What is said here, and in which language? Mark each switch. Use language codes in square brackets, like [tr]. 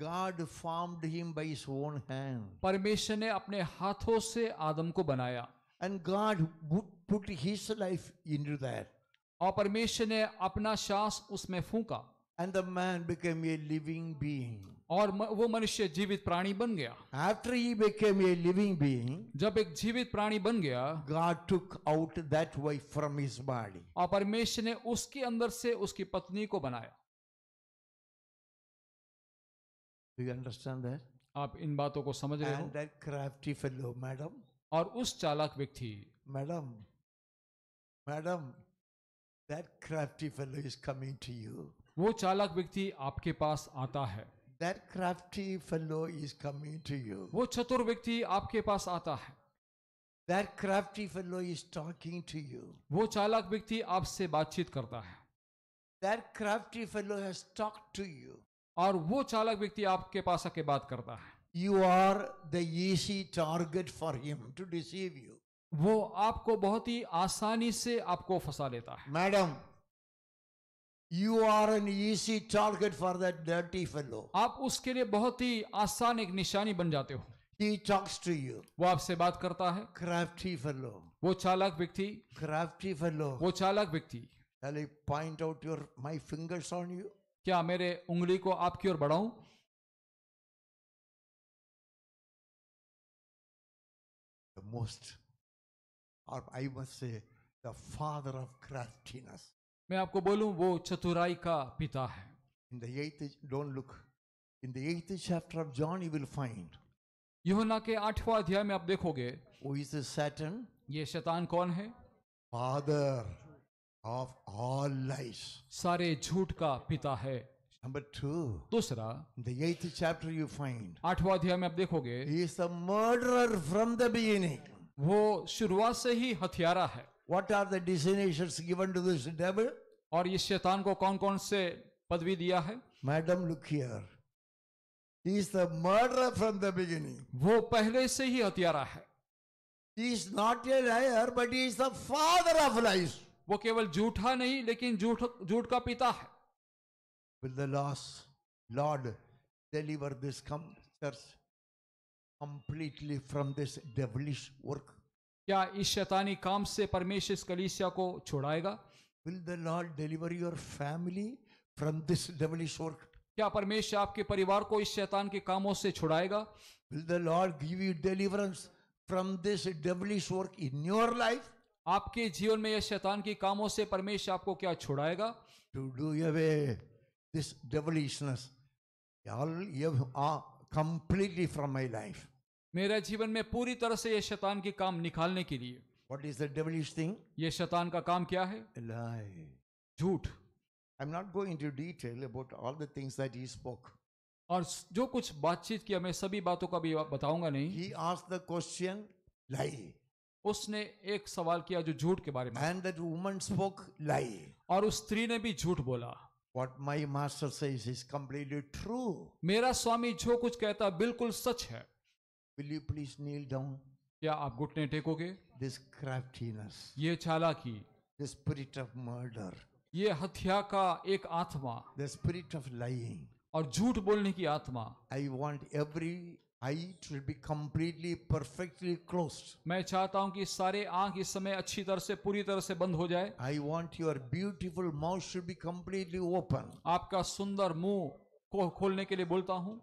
[en] God formed him by his own hand, [hi] परमेश्वर ने अपने हाथों से आदम को बनाया. [en] and God put his life in that, [hi] और परमेश्वर ने अपना सांस उसमें फूंका. [en] and the man became a living being, [hi] और वो मनुष्य जीवित प्राणी बन गया. [en] After he became a living being, [hi] जब एक जीवित प्राणी बन गया, [en] God took out that wife from his body, [hi] और परमेश्वर ने उसके अंदर से उसकी पत्नी को बनाया. [en] Do you understand that? [hi] आप इन बातों को समझ रहे हो? [en] And that crafty fellow, madam, [hi] और उस चालाक व्यक्ति, [en] madam, madam, that crafty fellow is coming to you. [hi] वो चालाक व्यक्ति आपके पास आता है. [en] That crafty fellow is coming to you. [hi] वो चतुर व्यक्ति आपके पास आता है. [en] That crafty fellow is talking to you. [hi] वो चालाक व्यक्ति आपसे बातचीत करता है. [en] That crafty fellow has talked to you. [hi] और वो चालाक व्यक्ति आपके पास आके बात करता है. [en] You are the easy target for him to deceive you. [hi] वो आपको बहुत ही आसानी से आपको फंसा लेता है. [en] Madam, you are an easy target for that dirty fellow. [hi] आप उसके लिए बहुत ही आसान एक निशानी बन जाते हो. [en] He talks to you. [hi] वो आपसे बात करता है. [en] Crafty fellow. [hi] वो चालाक व्यक्ति. [en] Crafty fellow. [hi] वो चालाक व्यक्ति. [en] Shall I point out your my fingers on you? [hi] क्या मेरे उंगली को आपकी ओर बढ़ाऊं? [en] The most, or I must say, the father of craftiness. [hi] मैं आपको बोलूं, वो चतुराई का पिता है. [en] in the 8th, don't look in the 8th chapter of John, you will find [hi] यूहन्ना के 8वां अध्याय में आप देखोगे, [en] who is Satan, [hi] ये शैतान कौन है? [en] father of all lies, [hi] सारे झूठ का पिता है. [en] number 2, [hi] दूसरा, [en] in the 8th chapter you find, [hi] 8वां अध्याय में आप देखोगे, [en] he is a murderer from the beginning, [hi] वो शुरुआत से ही हत्यारा है. [en] What are the designations given to this devil? [hi] और ये शैतान को कौन कौन से पदवी दिया है? [en] Madam, look here. He is the murderer from the beginning. [hi] वो पहले से ही हत्यारा है. [en] He is not a liar, but he is the father of lies. [hi] वो केवल झूठा नहीं, लेकिन झूठ झूठ का पिता है. [en] Will the Lord deliver this church completely from this devilish work? [hi] क्या इस शैतानी काम से परमेश्वर इस कलीसिया को छुड़ाएगा? [en] Will the Lord deliver your family from this devilish work? [hi] क्या परमेश्वर आपके परिवार को इस शैतान के कामों से छुड़ाएगा? [en] Will the Lord give you deliverance from this devilish work in your life? [hi] आपके जीवन में यह शैतान के कामों से परमेश्वर आपको क्या छुड़ाएगा? [en] To do away this devilishness, all you are completely from my life. [hi] मेरे जीवन में पूरी तरह से यह शैतान के काम निकालने के लिए. [en] What is the devilish thing? [hi] यह शैतान का काम क्या है? [en] A lie. [hi] झूठ. [en] I'm not going into detail about all the things that he spoke. [hi] और जो कुछ बातचीत किया मैं सभी बातों का भी बताऊंगा नहीं. [en] He asked the question, lie. [hi] उसने एक सवाल किया जो झूठ के बारे में. [en] And that woman spoke lie. [hi] और उस स्त्री ने भी झूठ बोला. [en] What my master says is completely true. [hi] मेरा स्वामी जो कुछ कहता बिल्कुल सच है. [en] Will you please kneel down? [hi] क्या आप घुटने टेकोगे? [en] This craftiness. [hi] ये चालाकी. [en] The spirit of murder. [hi] ये हत्या का एक आत्मा. [en] The spirit of lying. [hi] और झूठ बोलने की आत्मा. [en] I want every eye to be completely, perfectly closed. [hi] मैं चाहता हूँ कि सारे आँख इस समय अच्छी तरह से, पूरी तरह से बंद हो जाए. [en] I want your beautiful mouth should be completely open. [hi] आपका सुंदर मुंह को खोलने के लिए बोलता हूँ.